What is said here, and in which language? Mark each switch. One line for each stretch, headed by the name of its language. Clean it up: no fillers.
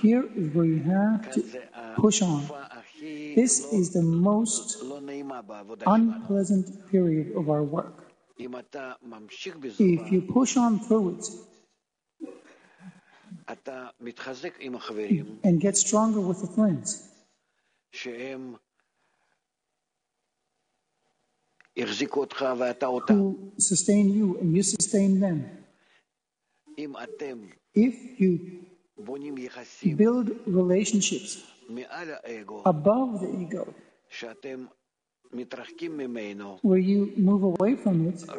English: Here is where you have to push on. This is the most unpleasant period of our work. If you push on through it,
Hebrew: אתה מתחזק עם החברים
English: and get stronger with the friends
Hebrew: שהם יחזיקו אותך ואתה אותם
English: who sustain you and you sustain them
Hebrew: אם אתם
English: if you
Hebrew: בונים יחסים
English: build relationships
Hebrew: מעל האגו
English: above the ego
Hebrew: שאתם מתרחקים ממנו
English: where you move away from it